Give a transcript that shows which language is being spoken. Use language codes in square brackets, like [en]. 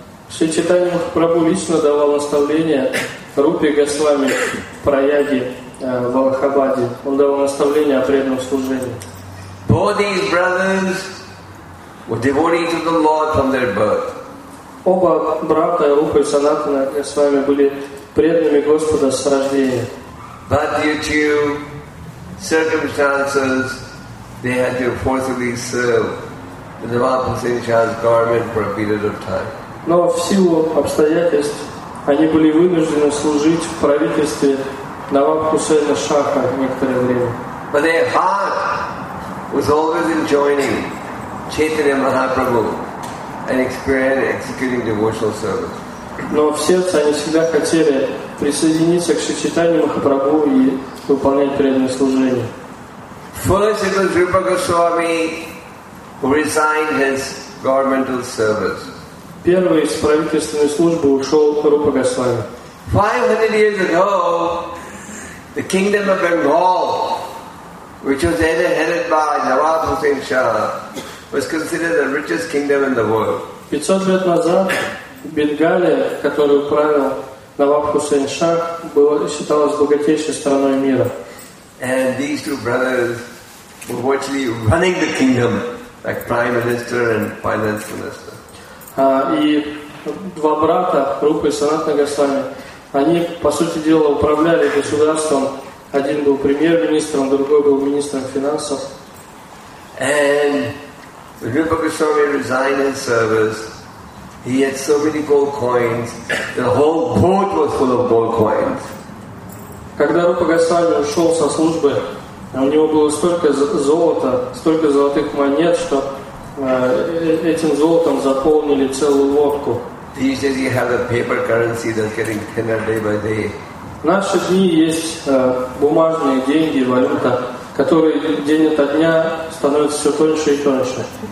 [ru] Шри Чайтанья Махапрабху лично давал наставления Рупе Госвами в Праяге в Аллахабаде. Он давал наставления о преданном служении. [en] Both these brothers were devoted to the Lord from their birth. [ru] Оба брата, Рупа и Санатана Госвами, были преданными Господа с рождения. [en] But due to circumstances, they had to forcibly serve the Navapur Singh Shah's government for a period of time. [ru] Но в силу обстоятельств они были вынуждены служить в правительстве Навапху Сейна Шаха некоторое время. [en] But their heart was always in joining Chaitanya Mahaprabhu and experience executing devotional service. [ru] Но в сердце они всегда хотели присоединиться к Шри Чайтанье Махапрабху и выполнять преданное служение. [en] First it was Rupa Goswami who resigned his governmental service. [ru] Первый из правительственной службы ушел Рупа Госвами. [en] 500 years ago, the kingdom of Bengal, which was headed by Nawab Hussain Shah, was considered the richest kingdom in the world. [ru] 500 лет назад Бенгалия, которую управлял Наваб Хусейн Шах, считалась богатейшей страной мира. [en] And these two brothers were virtually running the kingdom like prime minister and finance minister. [ru] И два брата, Рупа и Санатана Госвами, они, по сути дела, управляли государством. Один был премьер-министром, другой был министром финансов. [en] And Rupa Goswami resigned his service. He had so many gold coins, the whole boat was full of gold coins. [ru] Когда Рупа Госвами ушел со службы, у него было столько золота, столько золотых монет, что этим золотом заполнили целую лодку. [en] These days you have a paper currency that's getting thinner day by day. [ru] В наши дни есть бумажные деньги, валюта, которые день ото дня становятся все тоньше и тоньше.